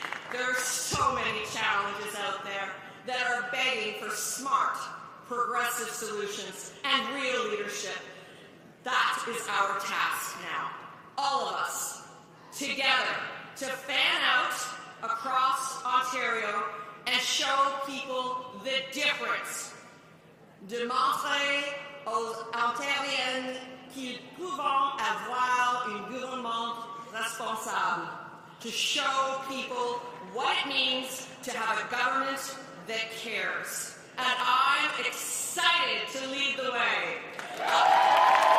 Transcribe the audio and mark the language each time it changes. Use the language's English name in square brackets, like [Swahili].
[English] There are so many challenges out there that are begging for smart, progressive solutions and real leadership. That is our task now, all of us, together, to fan out across Ontario and show people the difference. [French] Démontrer aux Ontariens qu'ils peuvent avoir un gouvernement responsable. [English] To show people what it means to have a government that cares. And I'm excited to lead the way.